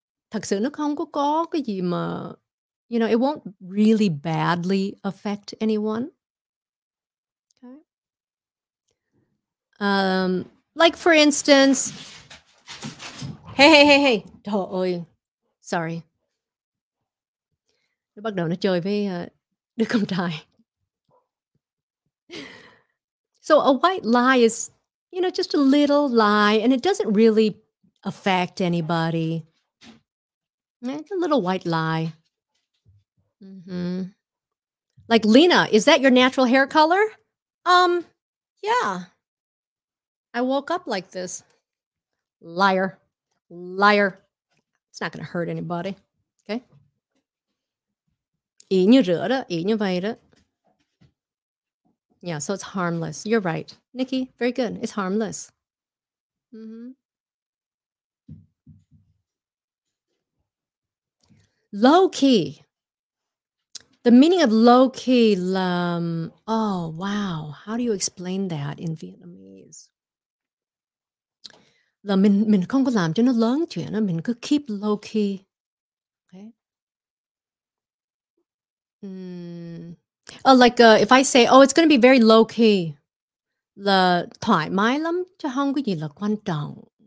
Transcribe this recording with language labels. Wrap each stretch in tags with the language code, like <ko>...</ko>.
<vi>Thật sự nó không có cái gì mà,</vi> <en>you know, it won't really badly affect anyone. Okay. Like for instance, hey.</en> <vi>Trời ơi.</vi> <en>Sorry.</en> <vi>Nó bắt đầu nó chơi với đứa con trai.</vi> <en>So a white lie is, you know, just a little lie and it doesn't really affect anybody. It's a little white lie. Mm-hmm. Like, Lina, is that your natural hair color? Yeah. I woke up like this. Liar. Liar. It's not going to hurt anybody. Okay?</en> <vi>Ý như rửa đó, ý như vậy đó.</vi> <en>Yeah, so it's harmless. You're right. Nikki, very good. It's harmless. Mm-hmm. Low key. The meaning of low key, oh wow, how do you explain that in Vietnamese?</en> <vi>Là mình không có làm cho nó lớn chuyện, mình cứ</vi> <en>keep low key.</en> <vi>Okay.</vi> <en>If I say, oh, it's going to be very low key,</en> <vi>là thoải mái lắm, chứ không có gì là quan trọng.</vi>